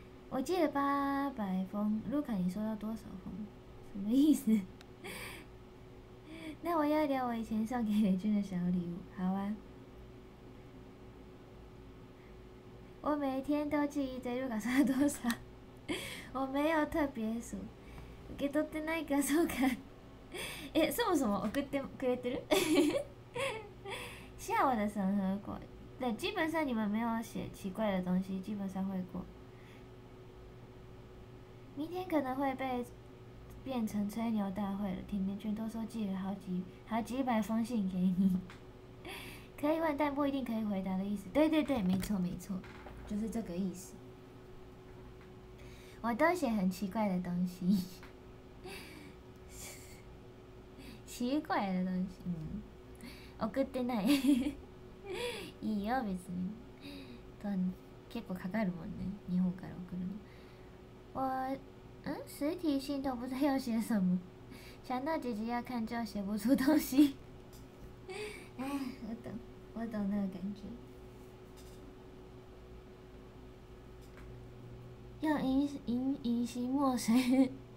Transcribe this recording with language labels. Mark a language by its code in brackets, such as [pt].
[zh] 我记得800封，卢卡，你收到多少封？什么意思？那我要聊我以前送给雷军的小礼物，好啊。我每天都记一堆，卢卡收到多少？我没有特别数， [ja] 受け取ってないかそうか。え、そもそも送ってくれてる？ [zh] 下我的审核过，对，基本上你们没有写奇怪的东西，基本上会过。明天可能会被变成吹牛大会了，甜甜圈都说寄了好几百封信给你，可以问但不一定可以回答的意思。对对对，没错没错，就是这个意思。我都写很奇怪的东西，奇怪的东西， [ja] 送ってない。いいよ別に。と結構かかるもんね、日本から送るの。 [zh] 我实体信都不知道要写什么，想到姐姐要看就写不出东西。哎，我懂，我懂那个感觉。用隐形墨水。